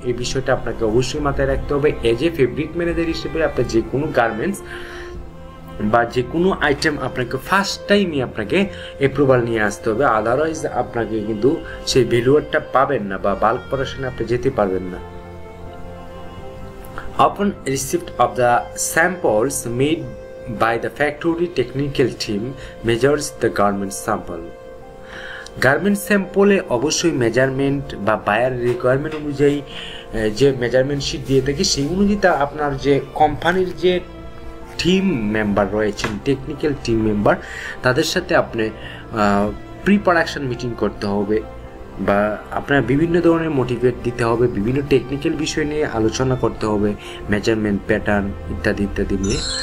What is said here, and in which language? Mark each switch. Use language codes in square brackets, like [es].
[bn] এই বিষয়টা আপনাকে অবশ্যই মাথায় রাখতে হবে। এজ এ ফেব্রিক ম্যানেজার হিসেবে আপনার যে কোনো গার্মেন্টস বা যে কোনো আইটেম আপনাকে ফার্স্ট টাইমই আপনাকে অ্যাপ্রুভাল নিয়ে আসতে হবে, আদারওয়াইজ আপনাকে কিন্তু সেই ভ্যালুয়ারটা পাবেন না বা বাল্ক প্রোডাকশনে আপনি যেতে পারবেন না। [en] Upon receipt of the samples made by the factory technical team measures the garment sample. [bn] Garment স্যাম্পলে অবশ্যই মেজারমেন্ট বা বায়ার রিকোয়ারমেন্ট অনুযায়ী যে মেজারমেন্ট শিট দিয়ে থাকি সেই অনুযায়ী আপনার যে কোম্পানির যে টিম মেম্বার রয়েছেন, টেকনিক্যাল টিম মেম্বার, তাদের সাথে আপনি প্রি প্রোডাকশন মিটিং করতে হবে বা আপনার বিভিন্ন ধরনের মোটিভেট দিতে হবে, বিভিন্ন টেকনিক্যাল বিষয় নিয়ে আলোচনা করতে হবে, মেজারমেন্ট প্যাটার্ন ইত্যাদি ইত্যাদি নিয়ে।